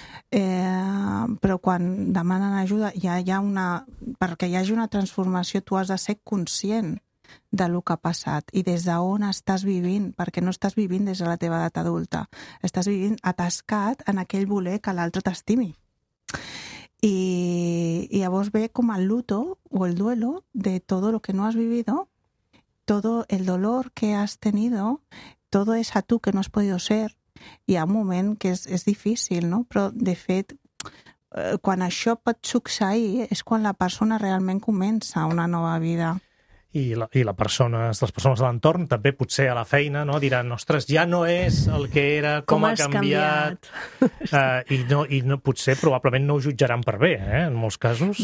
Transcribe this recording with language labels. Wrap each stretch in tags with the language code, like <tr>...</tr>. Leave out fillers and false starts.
<ca>Però quan demanen ajuda perquè hi hagi una transformació, tu has de ser conscient de lo que ha passat i des d'on estàs vivint, perquè no estàs vivint des de la teva edat adulta. Estàs vivint atascat en aquell voler que l'altre t'estimi.</ca> <es>Y llavors ve com el luto o el duelo de todo lo que no has vivido, todo el dolor que has tenido, todo esa tú que no has podido ser, y</es> <ca>a un moment que és difícil, no? Però de fet, quan això pot succeir és quan la persona realment comença una nova vida. I les persones de l'entorn, també potser a la feina, no? Diran, ostres, ja no és el que era, com ha canviat. I no, potser probablement no ho jutjaran per bé, en molts casos.</ca>